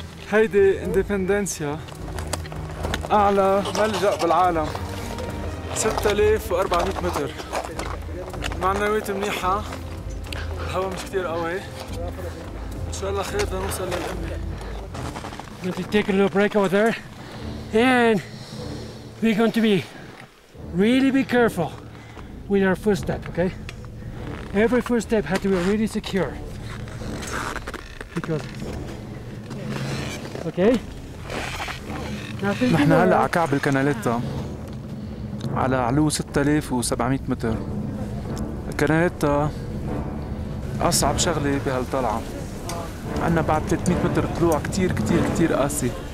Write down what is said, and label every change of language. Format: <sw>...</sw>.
<ar>هيدي اندبندنسيا اعلى ملجأ بالعالم 6400 متر معنويات منيحة الهواء مش كتير قوي ان شاء الله خير بدنا نوصل للأمة</ar> <en>we're going to take a little break over there and we're going to be really be careful with our first step okay every first step had to be really secure because okay</en> <ar>نحن هلا على كعب الكناليتا على علو 6700 متر الكناليتا اصعب شغله بهالطلعه عندنا بعد 300 متر طلوع كثير كثير كثير قاسي</ar>